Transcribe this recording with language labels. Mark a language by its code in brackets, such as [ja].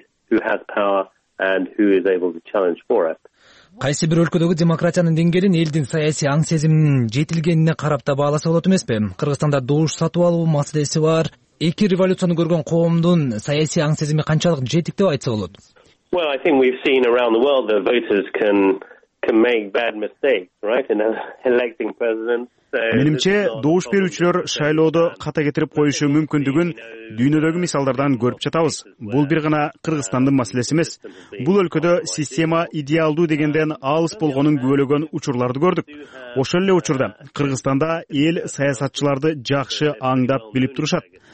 [en] Who has power and who is able to challenge for it. [ky] кайсы бир өлкөдөгү демократиянын деңгээлин элдин саясий аң сезиминин жетилгенине карап да бааласа болот эмеспи? Кыргызстанда добуш сатып алуу маселеси бар. Эки революцияны көргөн коомдун саясий аң сезими канчалык жетик деп айтса болот? [en] Well, I think we've seen around the world that voters can make bad mistakes, right? In electing presidents. [ky] Менимче, добуш берүүчүлөр шайлоодо ката кетирип коюшу мүмкүндүгүн дүйнөдөгү мисалдардан көрүп жатабыз. Бул бир гана Кыргызстандын маселеси эмес. Бул өлкөдө система идеалдуу дегенден алыс болгонун күбөлөгөн учурларды көрдүк. Ошол эле учурда Кыргызстанда эл саясатчыларды жакшы аңдап билип турушат.